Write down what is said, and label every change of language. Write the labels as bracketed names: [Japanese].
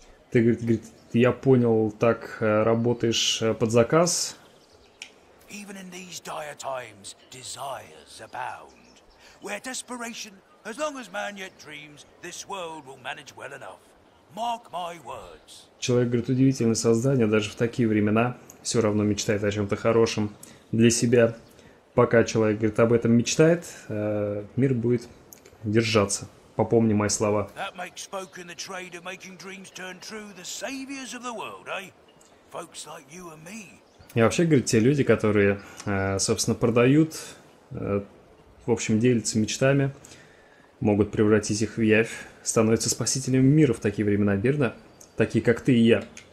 [Russian] Ты, говорит, я понял, так работаешь под заказ. [English] Even in these dire times, desires abound. Where desperation, as long as man yet dreams, this world will manage well enough. Mark my words. [Russian] Человек, говорит, удивительное создание, даже в такие времена все равно мечтает о чем-то хорошем для себя. Пока человек, говорит, об этом мечтает, мир будет держаться. Попомни мои слова. [English] That makes folk in the trade of making dreams turn true the saviors of the world, eh? Folks like you and me. [Russian] И вообще, говорит, те люди, которые, собственно, продают, в общем, делятся мечтами, могут превратить их в явь, становятся спасителями мира в такие времена, верно? Такие, как ты и я.